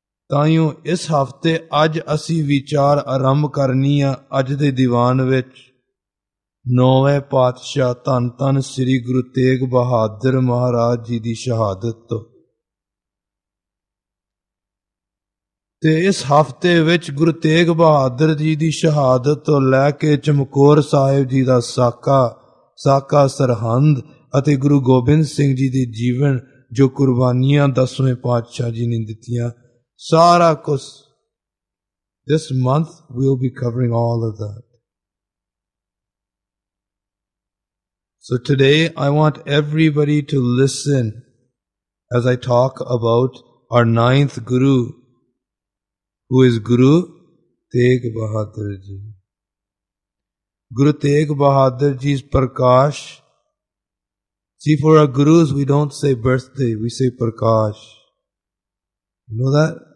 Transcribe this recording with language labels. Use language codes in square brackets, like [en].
[pa] ਤਾਂ ਹੀ ਇਸ ਹਫ਼ਤੇ ਅੱਜ ਅਸੀਂ ਵਿਚਾਰ ਆਰੰਭ ਕਰਨੀ ਆ ਅੱਜ ਦੇ ਦੀਵਾਨ ਵਿੱਚ ਨੌਵੇਂ ਪਾਤਸ਼ਾਹ ਧੰਨ ਧੰਨ ਸ੍ਰੀ ਗੁਰੂ ਤੇਗ ਬਹਾਦਰ ਮਹਾਰਾਜ ਜੀ ਦੀ ਸ਼ਹਾਦਤ ਤੋਂ। ਤੇ ਇਸ ਹਫ਼ਤੇ ਵਿੱਚ ਗੁਰੂ ਤੇਗ ਬਹਾਦਰ ਜੀ ਦੀ ਸ਼ਹਾਦਤ ਤੋਂ ਲੈ ਕੇ ਚਮਕੌਰ ਸਾਹਿਬ ਜੀ ਦਾ ਸਾਕਾ ਸਰਹੰਦ ਅਤੇ ਗੁਰੂ ਗੋਬਿੰਦ ਸਿੰਘ ਜੀ ਦੇ ਜੀਵਨ ਜੋ ਕੁਰਬਾਨੀਆਂ ਦਸਵੇਂ ਪਾਤਸ਼ਾਹ ਜੀ ਨੇ ਦਿੱਤੀਆਂ, ਸਾਰਾ ਕੁਛ [en] This month will be covering all of that. So today I want everybody to listen as I talk about our ninth guru, who is Guru Tegh Bahadur ji. Guru Tegh Bahadur ji's prakash. See, for our gurus we don't say birthday, we say prakash. You know that?